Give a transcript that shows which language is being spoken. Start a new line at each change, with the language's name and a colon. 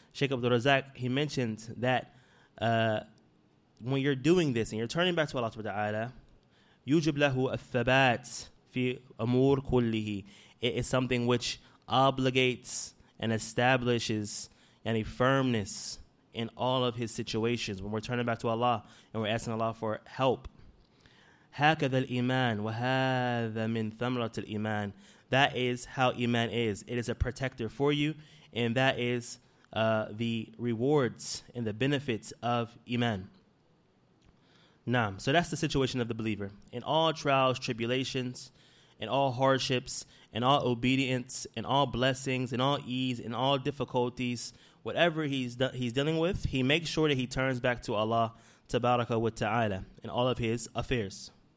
English: Sheikh Abdul Razak, he mentioned that when you're doing this and you're turning back to Allah subhanahu wa ta'ala,
Arabic: يُجِبْ لَهُ الثَّبَاتِ فِي أَمُورْ كُلِّهِ,
English: it is something which obligates and establishes any firmness in all of his situations, when we're turning back to Allah and we're asking Allah for help.
Arabic: هَكَذَا الْإِيمَانِ وَهَذَا مِنْ ثَمْرَةِ الْإِيمَانِ,
English: that is how iman is. It is a protector for you, and that is the rewards and the benefits of iman. Naam. So that's the situation of the believer. In all trials, tribulations, in all hardships, in all obedience, in all blessings, in all ease, in all difficulties, whatever he's dealing with, he makes sure that he turns back to Allah tabaraka wa ta'ala in all of his affairs.